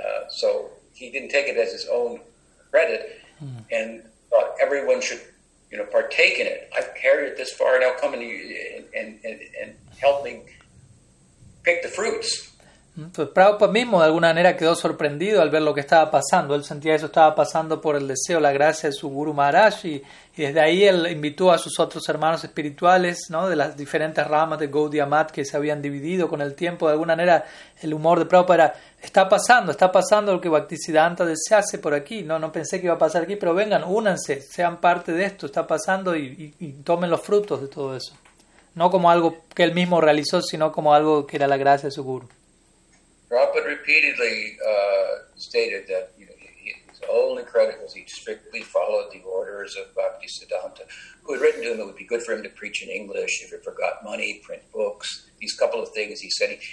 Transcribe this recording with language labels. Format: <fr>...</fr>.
<en>So he didn't take it as his own credit, and thought everyone should, you know, partake in it. I've carried it this far, now come and help me pick the fruits.</en> <es>Entonces, Prabhupada mismo de alguna manera quedó sorprendido al ver lo que estaba pasando. Él sentía eso estaba pasando por el deseo, la gracia de su Guru Maharaj y Y desde ahí él invitó a sus otros hermanos espirituales, ¿no? De las diferentes ramas de Gaudiya Math que se habían dividido con el tiempo. De alguna manera, el humor de Prabhupada era, está pasando lo que Bhaktisiddhanta desease por aquí. No, no pensé que iba a pasar aquí, pero vengan, únanse, sean parte de esto, está pasando y tomen los frutos de todo eso. No como algo que él mismo realizó, sino como algo que era la gracia de su guru.</es> <en>Prabhupada repeatedly stated that, you know, his only credit was he strictly followed the orders of Bhaktisiddhanta, who had written to him it would be good for him to preach in English if he forgot money, print books, these couple of things he said.</en>